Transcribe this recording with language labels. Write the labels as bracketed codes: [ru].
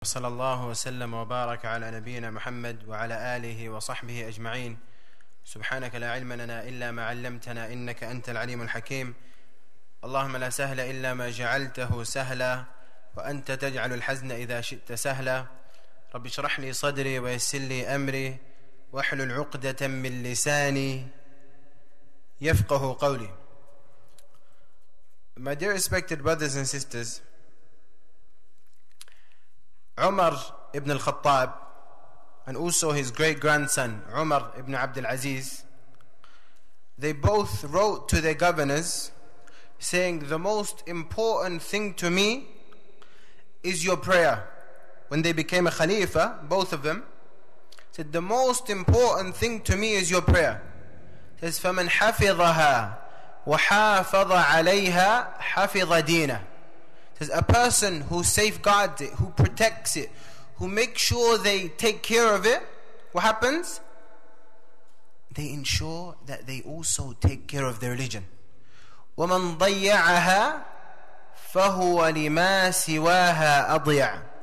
[ar] صلى الله وسلم وبارك على نبينا محمد وعلى آله وصحبه أجمعين سبحانك لا علم لنا إلا ما علمتنا إنك أنت العليم الحكيم اللهم لا سهل إلا ما جعلته سهلا وأنت تجعل الحزن إذا شئت سهلا رب اشرح لي صدري ويسر لي أمري واحلل عقدة من لساني يفقه قولي. [en] My dear respected brothers and sisters, Umar ibn al-Khattab and also his great-grandson Umar ibn Abdul Aziz, they both wrote to their governors saying, the most important thing to me is your prayer. When they became a khalifa, both of them said, the most important thing to me is your prayer. It says, [ar] فَمَنْ حَفِظَهَا وَحَافَظَ عَلَيْهَا حَفِظَ دِينَ. [en] It says, a person who safeguards it, who protects it, who makes sure they take care of it, what happens? They ensure that they also take care of their religion. [ar] وَمَنْ ضَيَّعَهَا فَهُوَ لِمَا سِوَاهَا أَضْيَعَ.